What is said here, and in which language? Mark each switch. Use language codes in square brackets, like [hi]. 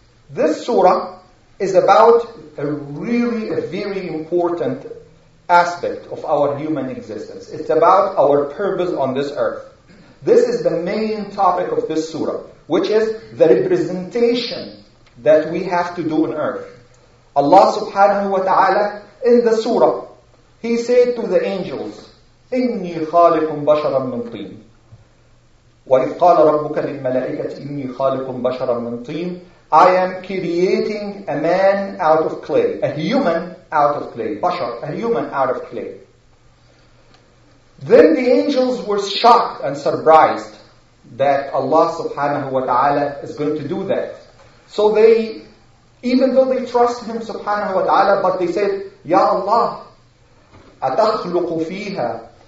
[en] This surah is about a very important aspect of our human existence. It's about our purpose on this earth. This is the main topic of this surah, which is the representation that we have to do on earth. Allah subhanahu wa ta'ala in the surah, He said to the angels, [ar] إِنِّي خَالِقٌ بَشَرًا مِّن طِينٍ وَإِذْ قَالَ رَبُّكَ لِلْمَلَائِكَةِ إِنِّي خَالِقٌ بَشَرًا مِّن طِينٍ. [en] I am creating a man out of clay, a human out of clay, bashar, a human out of clay. Then the angels were shocked and surprised that Allah subhanahu wa ta'ala is going to do that. So they, even though they trust Him subhanahu wa ta'ala, but they said, Ya Allah, [ar] أتخلق فيها.